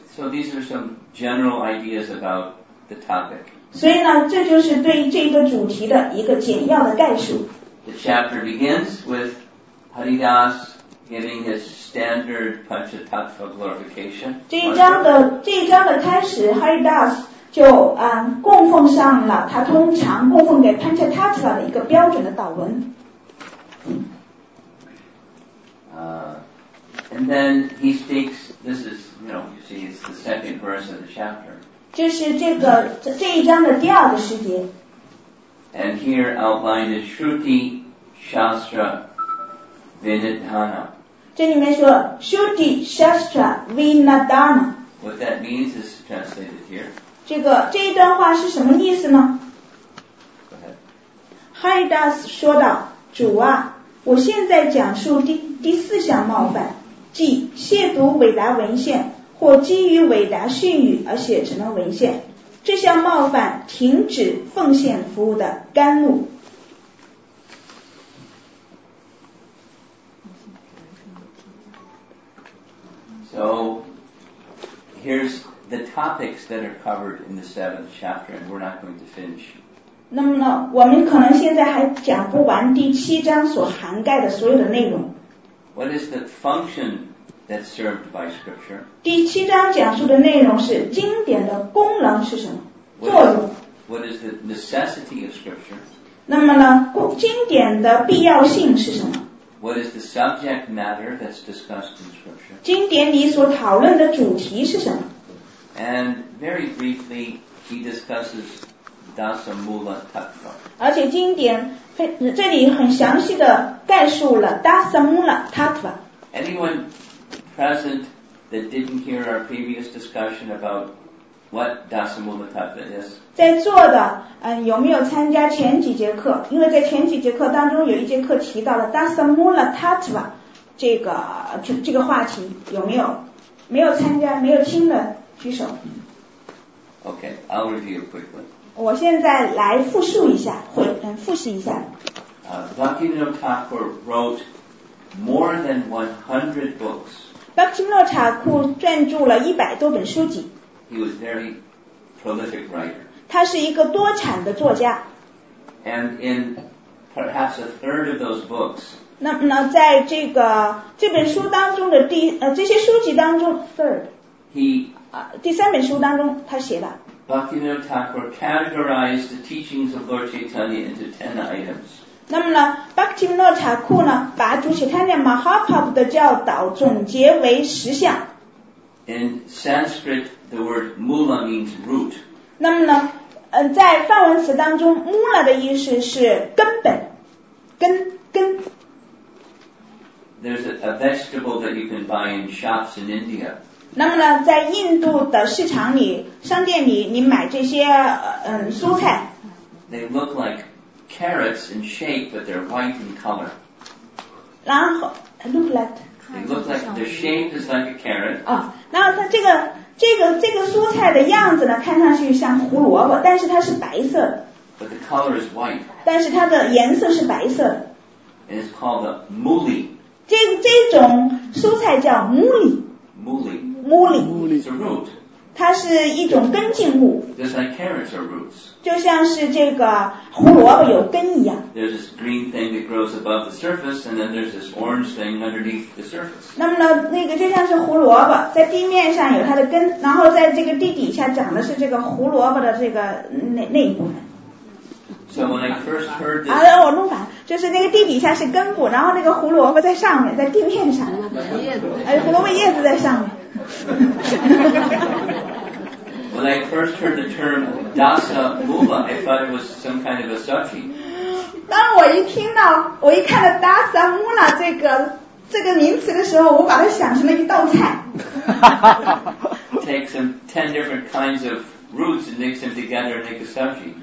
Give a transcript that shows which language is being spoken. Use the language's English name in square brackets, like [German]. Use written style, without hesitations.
[English] So these are some general ideas about the topic. [Chinese] 所以呢，这就是对这个主题的一个简要的概述。 [English] the chapter begins with Hari Das giving his standard Panchatattva glorification. [Chinese] 这一章的开始 ，Hari Das 就供奉上了他通常供奉给 Panchatattva 的一个标准的祷文。 [English] And then he speaks. This is, you see, it's the second verse of the chapter. [Chinese] 这是这一章的第二个诗节。 [English] And here outlined is Shruti Shastra Vinidhana. [Chinese] 这里面说 Shruti Shastra Vinidhana. [English] What that means is translated here. [Chinese] 这一段话是什么意思呢？Hari Das 说道：“主啊，我现在讲述第四项冒犯。” 即亵渎伟达文献或基于伟达训语而写成了文献这项冒犯停止奉献服务的甘露 [English] So here's the topics that are covered in the seventh chapter and we're not going to finish [Chinese] 那么呢我们可能现在还讲不完第七章所涵盖的所有的内容 [English] What is the functionThat's served by scripture. [Chinese] 第七章讲述的内容是经典的功能是什么作用 [English] What is the necessity of scripture? [Chinese] 那么呢经典的必要性是什么 [English] What is the subject matter that's discussed in scripture? [Chinese] 经典里所讨论的主题是什么 [English] And very briefly, he discusses Dasa Mula Tattva. [Chinese] 而且经典这里很详细的概述了 Dasa Mula Tattva. [English] Anyone... present that didn't hear our previous discussion about what Dasa Mula Tattva is. [Chinese] 在座的有没有参加前几节课因为在前几节课当中有一节课提到了 Dasa Mula Tattva 这个话题有没有没有参加没有听的举手 [English] Okay, I'll review quickly. [Chinese] 我现在来复述一下复习一下。 [English] Bhaktivinoda Thakur wrote more than 100 books [Chinese] Bhaktivinoda Thakur 撰著了100多本书籍。 [English] He was a very prolific writer. [Chinese] 他是一个多产的作家。 [English] And in perhaps a third of those books, [Chinese] 那在这本书当中的这些书籍当中 ,third, 第三本书当中他写的。 [English] Bhaktivinoda Thakur categorized the teachings of Lord Chaitanya into 10 items. [Chinese] 那么呢 ,Bhaktivinoda Thakur 呢把主席他的 Mahaprabhu 的教导总结为十项。 [English] In Sanskrit, the word mula means root. [Chinese] 那么呢在梵文词当中 ,mula 的意思是根本根。 [English] There's a vegetable that you can buy in shops in India. [Chinese] 那么呢在印度的市场里商店里你买这些蔬菜。 [English] They look like,carrots in shape, but they're white in color. The shape is like a carrot. [Chinese] 然后它这个蔬菜的样子呢，看上去像胡萝卜，但是它是白色。 [English] But the color is white. [Chinese] 但是它的颜色是白色。 [English] And it's called a muli. [Chinese] 这种蔬菜叫 muli. [English] Muli. Muli. Muli. It's a root. [Chinese] 它是一种根茎物 [English] Just like carrots are roots. [Chinese] 就像是这个胡萝卜有根一样 [English] There's this green thing that grows above the surface and then there's this orange thing underneath the surface [Chinese] 那么呢那个就像是胡萝卜在地面上有它的根然后在这个地底下长的是这个胡萝卜的这个内部 [English] So when I first heard this [Chinese] 我弄反就是那个地底下是根部然后那个胡萝卜在上面在地面上胡萝卜叶子在上面 [English] When I first heard the term Dasa Mula, I thought it was some kind of a sati. [Chinese] 当我一听到我一看到 Dasa Mula 这个名词的时候，我把它想成了一道菜。 [English] Take some 10 different kinds of roots and mix them together and make a sati.